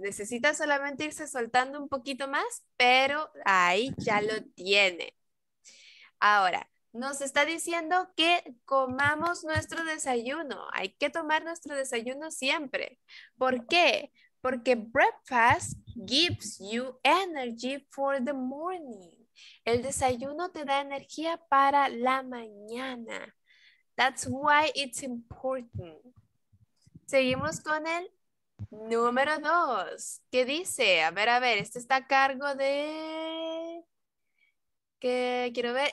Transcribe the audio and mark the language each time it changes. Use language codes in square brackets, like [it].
[es] Necesita solamente irse soltando un poquito más, pero ahí ya lo tiene. Ahora, nos está diciendo que comamos nuestro desayuno. Hay que tomar nuestro desayuno siempre. ¿Por qué? Porque [en] breakfast gives you energy for the morning. [es] El desayuno te da energía para la mañana. [en] That's why it's important. [es] Seguimos con el número 2. ¿Qué dice? A ver, este está a cargo de... ¿Qué quiero ver?